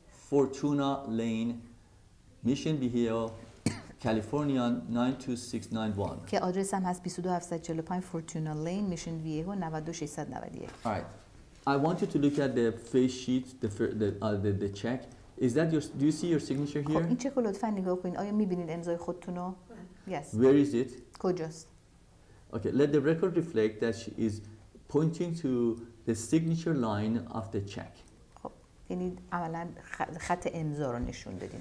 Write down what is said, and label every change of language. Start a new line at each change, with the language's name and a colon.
English: Fortuna Lane, Mission Viejo, California 92691.
Persian: که آدرسم هست 22745 Fortuna Lane, Mission Viejo 92691.
English: All right. I want you to look at the face sheet, the check. Is that your? Do you see your signature here?
Persian: این چک رو لطفاً نگاه کنید. آیا می‌بینید امضای خودتون رو؟
English: Yes. Where is it?
Persian: کجاست؟
English: Okay. Let the record reflect that she is pointing to the signature line of the check.
Persian: یعنی عملاً خط امضا رو نشون دادیم.